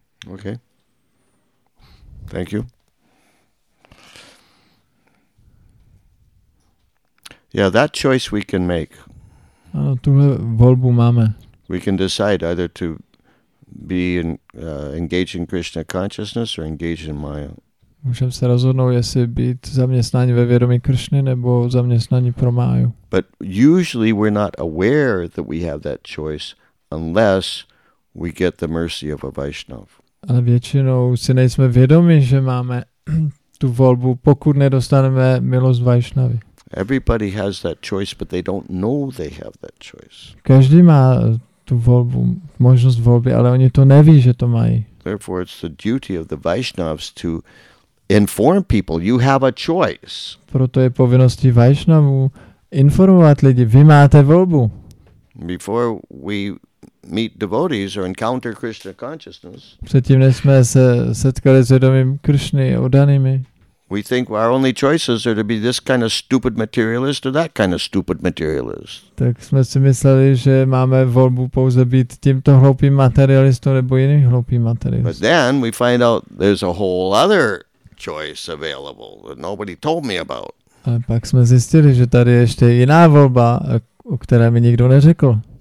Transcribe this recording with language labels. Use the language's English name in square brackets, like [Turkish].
[English] Okay. Thank you. Yeah, that choice we can make. [Czech] Ano, tuhle volbu máme. [English] We can decide either to be engaged in Krishna consciousness or engaged in Maya. [Czech] Můžeme se rozhodnout, jestli být zaměstnání ve vědomí Kršny nebo zaměstnání pro Máju. [English] But usually we're not aware that we have that choice unless we get the mercy of a Vaishnav. [Czech] Ale většinou si nejsme vědomi, že máme tu volbu, pokud nedostaneme milost Vaishnavy. [English] Everybody has that choice, but they don't know they have that choice. [Czech] Každý má tu volbu, možnost volby, ale oni to neví, že to mají. [English] Therefore it's the duty of the Vaishnavs to inform people you have a choice. [Czech] Proto je povinností Vaishnavů informovat lidi, vy máte volbu. [English] Before we meet devotees or encounter Krishna consciousness. [Czech] Předtím, než jsme se setkali s vědomím Kršny oddanými. [English] We think our only choices are to be this kind of stupid materialist or that kind of stupid materialist. [Czech] Tak jsme si mysleli, že máme volbu pouze být tímto hloupým materialistou nebo jiným hloupým materialistou. [English] But then we find out there's a whole other choice available that nobody told me about. [Czech] A pak jsme zjistili, že tady je ještě jiná volba, o které mi nikdo neřekl.